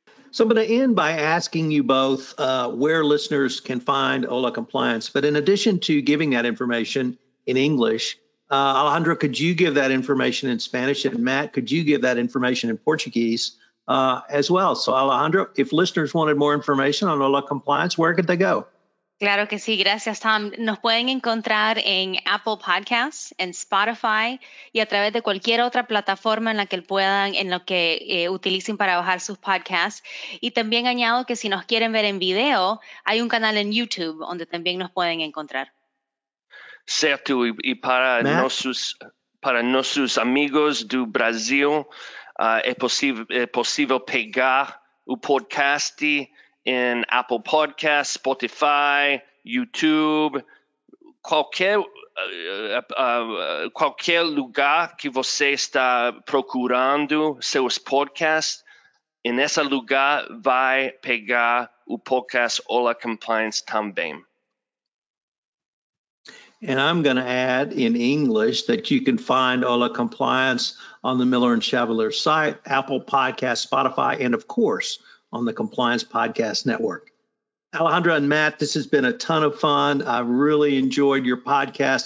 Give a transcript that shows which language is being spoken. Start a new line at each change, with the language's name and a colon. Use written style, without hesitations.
English: So I'm going to end by asking you both where listeners can find Ola Compliance. But in addition to giving that information in English, Alejandra, could you give that information in Spanish? And Matt, could you give that information in Portuguese as well? So Alejandra, if listeners wanted more information on Ola Compliance, where could they go?
Spanish: Claro que sí. Gracias, Tom. Nos pueden encontrar en Apple Podcasts, en Spotify y a través de cualquier otra plataforma en la que puedan, en lo que utilicen para bajar sus podcasts. Y también añado que si nos quieren ver en video, hay un canal en YouTube donde también nos pueden encontrar.
Portuguese: Certo.
Spanish: Y para nuestros amigos del Brasil, es posible pegar un podcast
Portuguese: in Apple Podcasts, Spotify, YouTube, qualquer lugar que você está procurando seus podcasts, em esse lugar vai pegar o podcast Ola Compliance também.
English: And I'm going to add in English that you can find Ola Compliance on the Miller & Chevalier site, Apple Podcasts, Spotify, and of course, on the Compliance Podcast Network. Alejandra and Matt, this has been a ton of fun. I really enjoyed your podcast.